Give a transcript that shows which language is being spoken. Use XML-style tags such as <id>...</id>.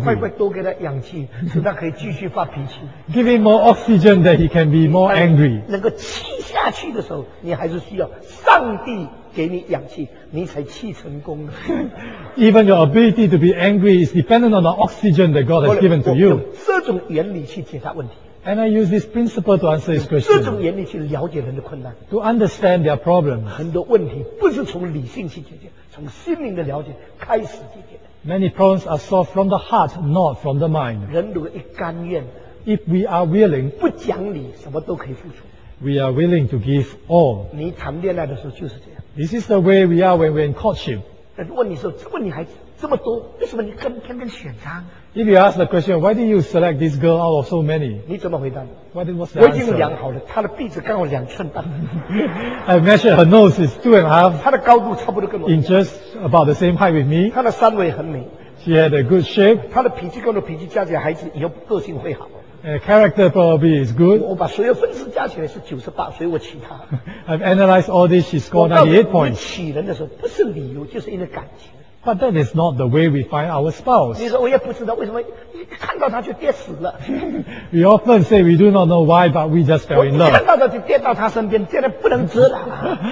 <zh>快快多给他氧气, 使他可以继续发脾气。</zh> <en>Give him more oxygen that he can be more angry.</en> <zh>能够气下去的时候, 你还是需要上帝给你氧气, 你才气成功的。</zh> <en>Even your ability to be angry is dependent on the oxygen that God has given to you.</en> <zh>这种原理去解答问题。</zh> <en>And I use this principle to answer his question.</en> <zh>这种原理去了解人的困难。</zh> <en>To understand their problems.</en> <zh>很多问题不是从理性去解决，从心灵的了解开始解决的。</zh> <en>Many problems are solved from the heart, not from the mind.</en> <zh>人如果一甘愿，</zh> <en>if we are willing,</en> <zh>不讲理，什么都可以付出。</zh> <en>We are willing to give all.</en> <zh>你谈恋爱的时候就是这样。</zh> <en>This is the way we are when we're in courtship.</en> <zh>人问你说，这么女孩子这么多，为什么你跟偏偏选她？</zh> <en>If you ask the question, why did you select this girl out of so many?</en> <zh>你怎么回答？</zh> <en>What was the answer?</en> <zh>我已经量好了，她的鼻子刚好两寸半。</zh> <en>I measured her nose is 2.5.</en> <zh>她的高度差不多跟我。</zh> <en>In just about the same height with me.</en> <zh>她的三围很美。</zh> <en>She had a good shape.</en> <zh>她的脾气跟我的脾气加起来，孩子以后个性会好。</zh> <en>Character probably is good.</en> <zh>我把所有分数加起来是98，所以我娶她。</zh> <en>I've analyzed all this. She scored 98 points.</en> <zh>我告诉你，娶人的时候不是理由，就是因为感情。</zh> <en>But that is not the way we find our spouse.</en> <zh>你说我也不知道为什么看到他就跌死了。</zh> <en>We often say we do not know why, but we just fell in love.</en> <zh>看到他就跌到他身边，跌得不能自拔。</zh>